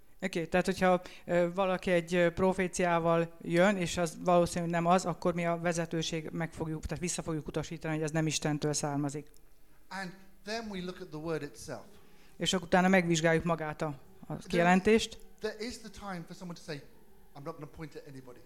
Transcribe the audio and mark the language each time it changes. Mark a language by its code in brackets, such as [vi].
[hu] Okay, tehát hogyha valaki egy proféciával jön, és az valószínűleg nem az, akkor mi a vezetőség vissza fogjuk utasítani, hogy ez nem Istentől származik. [en] And then we look at the word itself. [hu] És akkor utána megvizsgáljuk magát a kijelentést. [en] There is the time for someone to say, I'm not going to point at anybody.